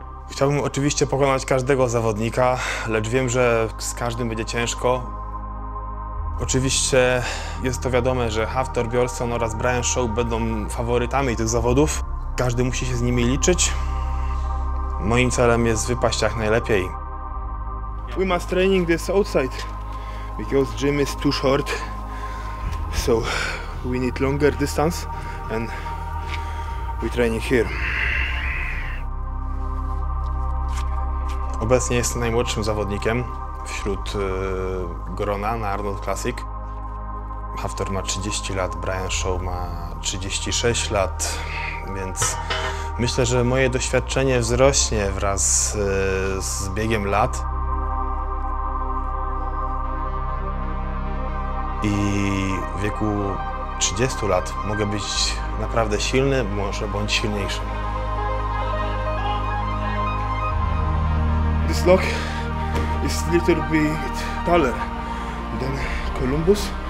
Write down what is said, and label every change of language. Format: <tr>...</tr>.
<pl>Chciałbym oczywiście pokonać każdego zawodnika, lecz wiem, że z każdym będzie ciężko. Oczywiście jest to wiadome, że Hafthor Bjornsson oraz Brian Shaw będą faworytami tych zawodów. Każdy musi się z nimi liczyć. Moim celem jest wypaść jak najlepiej.</pl> <en>We must training this outside, because gym is too short. So we need longer distance and we training here.</en> <pl>Obecnie jestem najmłodszym zawodnikiem wśród grona na Arnold Classic. Hafthor ma 30 lat, Brian Shaw ma 36 lat, więc myślę, że moje doświadczenie wzrośnie wraz z biegiem lat. I w wieku 30 lat mogę być naprawdę silny, może bądź silniejszy.</pl> <en>This lock is little bit taller than Columbus.</en>